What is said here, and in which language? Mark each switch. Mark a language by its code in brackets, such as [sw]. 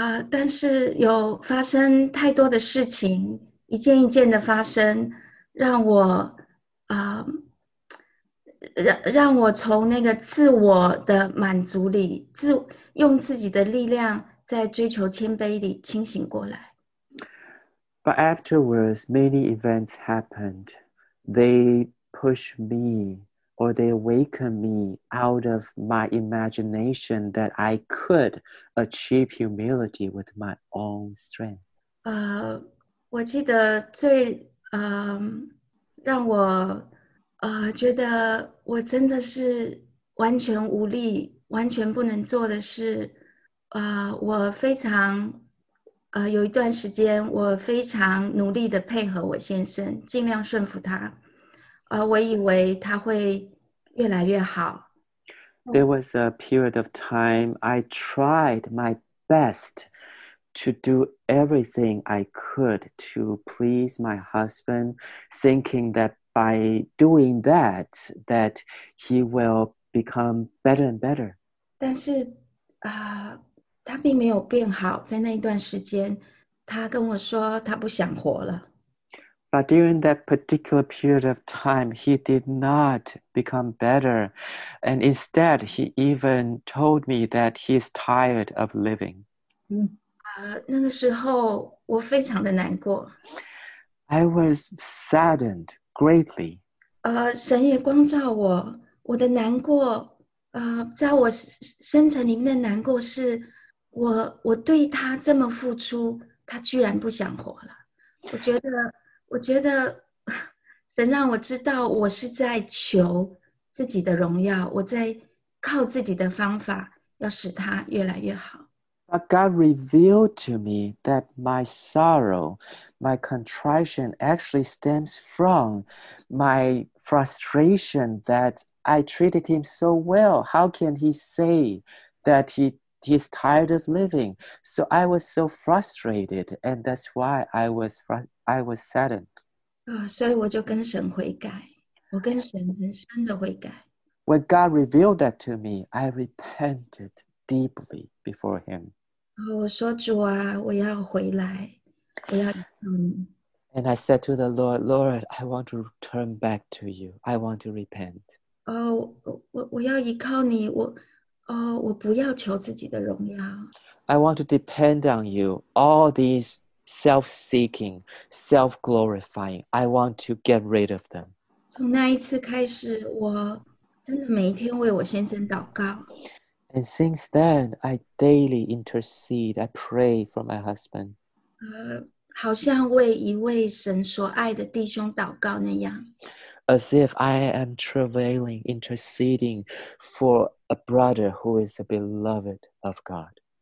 [zh] 但是有发生太多的事情，一件一件的发生，让我让我从那个自我的满足里，用自己的力量在追求谦卑里清醒过来。 [en] But afterwards, many events happened. They push me or they awaken me out of my imagination that I could achieve humility with my own strength. [zh] 我记得最让我觉得我真的是完全无力，完全不能做的是，我非常有一段时间我非常努力的配合我先生，尽量顺服他，我以为他会越来越好。 [en] There was a period of time I tried my best to do everything I could to please my husband, thinking that by doing that, that he will become better and better. [zh] 但是，他并没有变好，在那一段时间，他跟我说他不想活了。 [en] But during that particular period of time, he did not become better. And instead, he even told me that he is tired of living. [zh] 那个时候我非常的难过。 [en] I was saddened greatly. [zh] 神也光照我，我的难过，在我深层里面的难过是，我对他这么付出，他居然不想活了。我觉得神让我知道我是在求自己的荣耀，我在靠自己的方法要使他越来越好。 [en] But God revealed to me that my sorrow, my contrition actually stems from my frustration that I treated him so well. How can he say that he is tired of living? So I was so frustrated, and that's why I was saddened. [zh] 所以我就跟神悔改，我跟神很深的悔改。 [en] When God revealed that to me, I repented deeply before him. [zh] 我说主啊，我要回来，我要。 [en] And I said to the Lord, Lord, I want to turn back to you. I want to repent. [zh] Oh, 我要依靠你，我不要求自己的荣耀。 [en] I want to depend on you. All these self-seeking, self-glorifying, I want to get rid of them. [zh] 从那一次开始，我真的每一天为我先生祷告。 [en] And since then, I daily intercede, I pray for my husband. [zh] 好像为一位神所爱的弟兄祷告那样。 [en] As if I am travailing, interceding for a brother who is the beloved of God.